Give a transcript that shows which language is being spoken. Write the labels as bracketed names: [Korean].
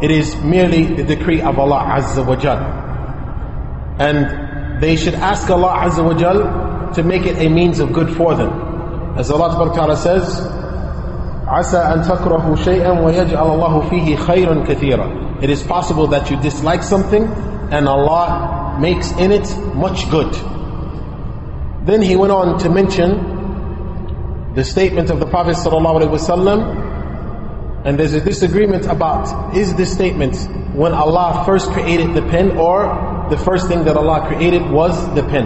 [English] It is merely the decree of Allah Azza wa Jal. And they should ask Allah Azza wa Jal to make it a means of good for them. As Allah Ta'ala says, [Arabic] عَسَىٰ أَن تَكْرَهُ شَيْئًا وَيَجْعَلَ اللَّهُ فِيهِ خَيْرًا كَثِيرًا. [English] It is possible that you dislike something and Allah makes in it much good. Then he went on to mention the statement of the Prophet sallallahu alaihi wasallam, and there's a disagreement about, is this statement when Allah first created the pen, or the first thing that Allah created was the pen?